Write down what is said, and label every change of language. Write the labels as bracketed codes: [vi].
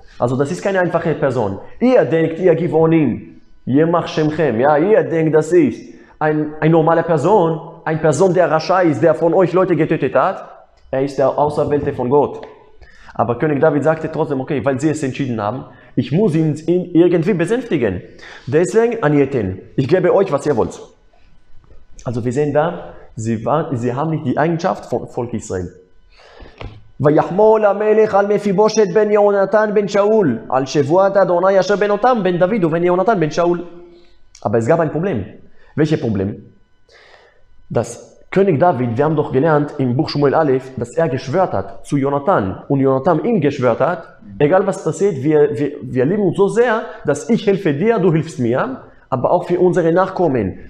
[de] Also das ist keine einfache Person. Ihr denkt, ihr Givonim, ihr macht Shemchem, ja, ihr denkt, das ist eine normale Person, eine Person, der Rasha ist, der von euch Leute getötet hat, er ist der Auserwählte von Gott. Aber König David sagte trotzdem, okay, weil sie es entschieden haben, ich muss ihn irgendwie besänftigen. Deswegen, Anieten, ich gebe euch, was ihr wollt. Also wir sehen da, sie haben nicht die Eigenschaft von Volk Israel. [he] ויחמול המלך על מפיבושת בן יהונתן בן שאול, על שבועת אדוני אשר בן אותם, בן דוד ובן יהונתן בן שאול. [de] Aber es gab ein Problem. Welches Problem? Dass König David, wir haben doch gelernt im Buch Shmuel Aleph, dass er geschwört hat zu Jonathan und Jonathan ihm geschwört hat, egal was passiert, wir lieben uns so sehr, dass ich helfe dir, du hilfst mir, aber auch für unsere Nachkommen.